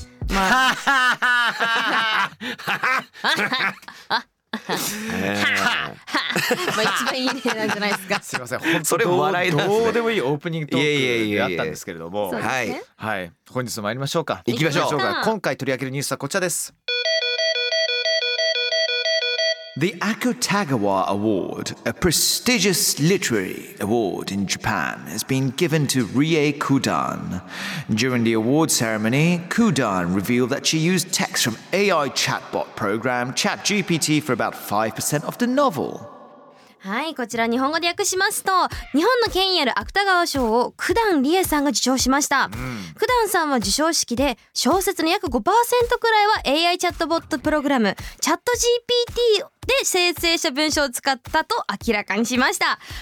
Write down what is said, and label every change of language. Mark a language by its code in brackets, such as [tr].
[ja] まあ、まあ一番いい例なんじゃないですか。すいません、本当それも笑いですね。どうでもいいオープニングトークがあったんですけれども、ね、はい、はい、本日参りましょうか。行きましょう。今回取り上げるニュースはこちらです。 [en] The Akutagawa Award, a prestigious literary award in Japan, has been given to Rie Kudan. During the award ceremony, Kudan revealed that she used text from AI chatbot program ChatGPT for about 5% of the novel. [ja] はい、こちら日本語で訳しますと、日本の権威ある芥川賞を九段理恵さんが受賞しました。九段さんは受賞式で、小説の約 5% くらいは AI チャットボットプログラム、ChatGPT で生成した文章を使ったと明らかにしました。